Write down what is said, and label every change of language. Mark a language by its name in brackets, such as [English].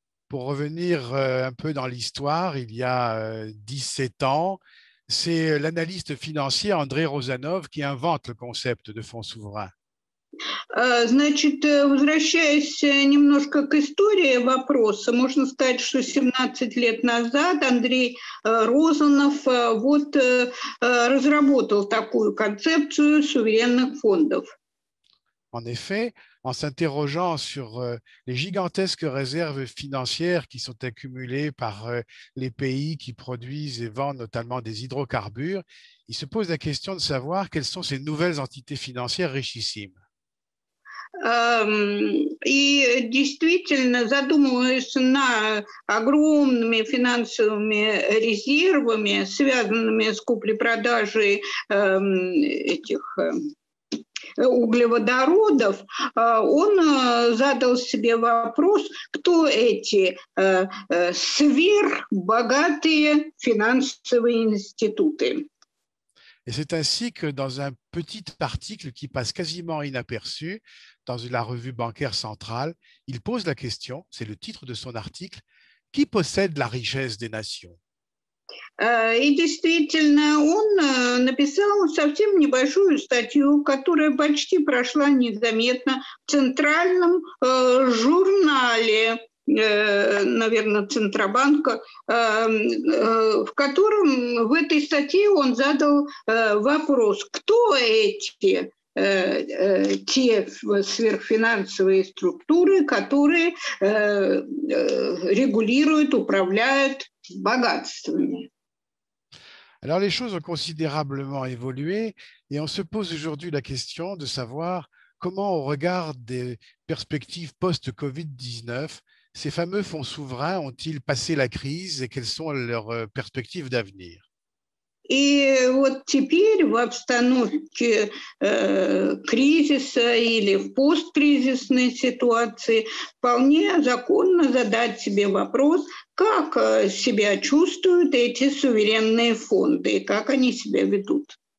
[French] Pour revenir un peu dans l'histoire, il y a 17 ans, c'est l'analyste financier André Rozanov qui invente le concept de fonds souverains. [Russian] Значит, возвращаясь немножко к истории вопроса, можно сказать, что 17 лет назад Андрей Розанов вот разработал такую концепцию суверенных фондов. [French] En effet, en s'interrogeant sur les gigantesques réserves financières qui sont accumulées par les pays qui produisent et vendent notamment des hydrocarbures, il se pose la question de savoir quelles sont ces nouvelles entités financières richissimes. [Russian] И действительно, задумываясь над огромными финансовыми резервами, связанными с купли-продажей этих углеводородов, он задал себе вопрос, кто эти сверхбогатые финансовые институты. [French] Et c'est ainsi que dans un petit article qui passe quasiment inaperçu dans la revue bancaire centrale, il pose la question, c'est le titre de son article, « Qui possède la richesse des nations ?» [Russian] И действительно, он написал совсем небольшую статью, которая почти прошла незаметно в центральном журнале, наверное, Центробанка, в котором в этой статье он задал вопрос, кто эти те сверхфинансовые структуры, которые регулируют, управляют богатствами. [French] Alors, les choses ont considérablement évolué et on se pose aujourd'hui la question de savoir comment, au regard des perspectives post-Covid-19, ces fameux fonds souverains ont-ils passé la crise et quelles sont leurs perspectives d'avenir? [Russian] И вот теперь в обстановке кризиса или в посткризисной ситуации вполне законно задать себе вопрос, как себя чувствуют эти суверенные фонды и как они себя ведут.